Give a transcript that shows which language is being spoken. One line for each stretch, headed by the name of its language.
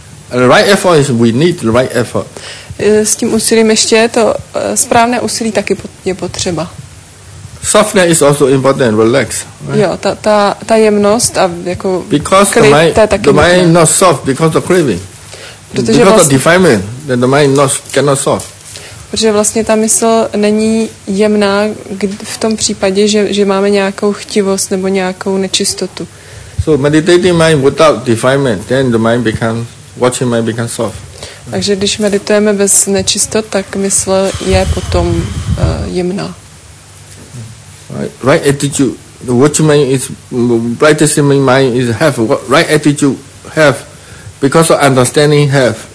English: The right effort is we need the right effort.
Czech: S tím úsilím ještě to správné úsilí taky je potřeba.
English: Softness is also important. Relax. Right?
Czech: Jo, ta jemnost a jako
English: because klid, the mind not soft because of craving.
Czech: Protože
English: because
Czech: vlastně,
English: of defilement, then the mind not cannot soft.
Czech: Protože vlastně ta mysl není jemná v tom případě, že máme nějakou chtivost nebo nějakou nečistotu.
English: So meditating mind without defilement, then the mind becomes watching mind becomes soft.
Czech: Takže když meditujeme bez nečistot, tak mysl je potom jemná.
English: Right attitude, the watchman is practicing mind is have right attitude have because of understanding have.